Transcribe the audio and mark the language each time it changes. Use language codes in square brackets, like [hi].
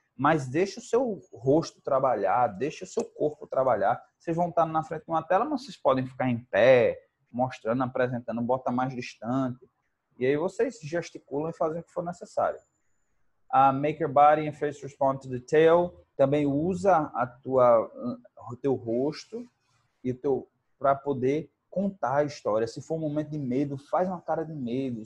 [pt] Mas deixa o seu rosto trabalhar, deixa o seu corpo trabalhar. Vocês vão estar na frente de uma tela, mas vocês podem ficar em pé, mostrando, apresentando, bota mais distante. E aí vocês gesticulam e fazem o que for necessário. [en] Make your body and face respond to the tail. [pt] Também usa o teu rosto para poder contar a história. Se for um momento de medo, faz uma cara de medo.